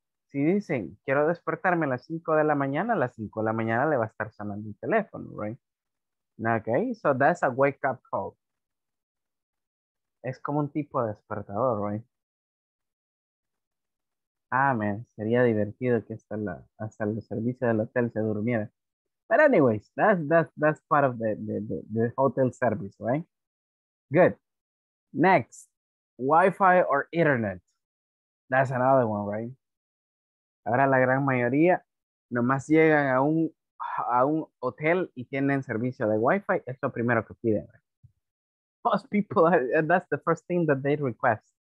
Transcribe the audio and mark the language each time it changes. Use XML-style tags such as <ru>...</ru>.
<es>Si dicen, quiero despertarme a las 5 de la mañana, a las 5 de la mañana le va a estar sonando el teléfono, right?</es> <en>Okay, so that's a wake up call.</en> <es>Es como un tipo de despertador,</es> <en>right?</en> <es>Ah, man, sería divertido que hasta el servicio del hotel se durmiera.</es> <en>But anyways, that's part of the hotel service, right? Good. Next, Wi-Fi or internet. That's another one, right?</en> <es>Ahora la gran mayoría nomás llegan a un hotel y tienen servicio de Wi-Fi. Es lo primero que piden.</es> <en>Most people, that's the first thing that they request.</en>